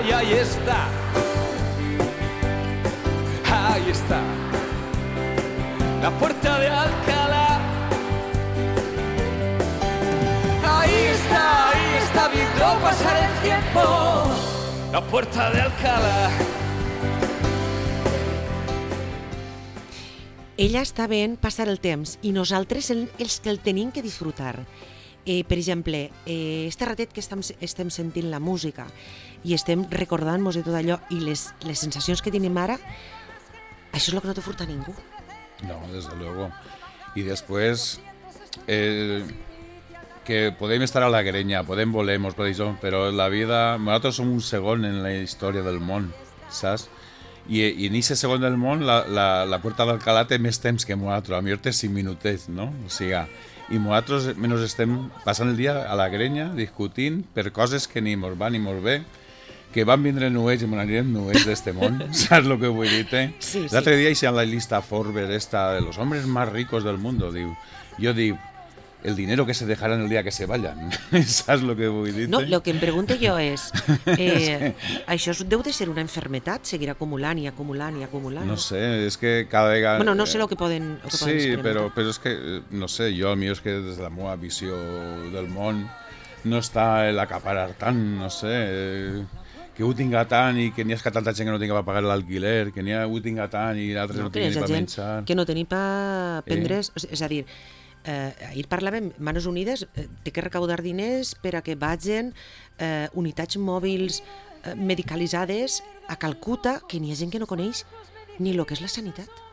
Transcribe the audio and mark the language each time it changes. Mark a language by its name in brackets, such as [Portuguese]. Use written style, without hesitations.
[Spanish] Y ahí está, ahí está la puerta de Alcalá. Ahí está viendo pasar el tiempo, la puerta de Alcalá. [Catalan] Ella està ben passar el temps i nosaltres els que el tenim que disfrutar. Per exemple, este ratet que estem sentint la música i estem recordant-nos de tot allò i les sensacions que tenim ara, això és el que no te furta ningú. No, des de luego. I després, que podem estar a la grenya, podem voler, però la vida... Nosaltres som un segon en la història del món, saps? I en aquest segon del món la Puerta d'Alcalá té més temps que nosaltres, a millor té 5 minutets, no? O sigui, i nosaltres menys estem passant el dia a la grenya discutint per coses que ni mos van ni mos ve, que van vindre nuets i mos anirem nuets d'este món, saps el que vull dir? Sí. L'altre dia hi ha la llista Forbes, [Spanish] esta de los hombres más ricos del mundo, [Catalan] diu. Jo dic, [Spanish] el dinero que se dejarán el día que se vayan. ¿Sabes lo que voy a decir? No, lo que me pregunto yo es... [Catalan] ¿això deu de ser [Spanish] una enfermedad? [Catalan] ¿Seguir acumulant i acumulant i acumulant? [Spanish] No sé, es que cada vez... Bueno, no sé lo que pueden... Sí, pero es que, no sé, yo a mí es que desde [Catalan] la meva visió del món [Spanish] no está el acaparar tant, no sé... [Catalan] que ho tinga tant i que n'hi ha que tanta gent que no tinga per pagar l'alquiler, que n'hi ha que ho tinga tant i altres no tinguin per menjar... Que no tenim per prendre... És a dir... ahir parlàvem, Manos Unides té que recaudar diners per a que vagin unitats mòbils medicalitzades a Calcuta, que n'hi ha gent que no coneix ni el que és la sanitat.